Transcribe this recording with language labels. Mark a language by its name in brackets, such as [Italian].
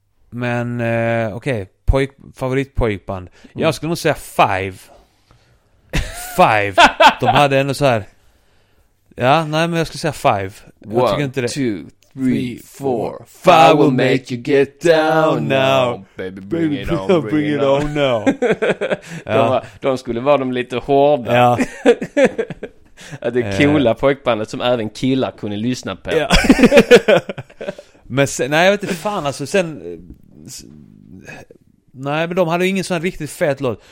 [Swedish] Men okej, favoritpojkband. Jag skulle nog säga Five. De hade ändå så här. Ja, nej, men jag skulle säga Five. [English] One, [Swedish] jag tycker inte det. [English] 3, 4, 5 will make you get down now. Baby, bring it on now. [Swedish] Ja. De skulle vara de lite hårda. Ja. Det coola pojkbandet som även killar kunde lyssna på. Ja. Men sen, nej, jag vet inte fan. Alltså, sen, nej, men de hade ingen sån riktigt fet låt.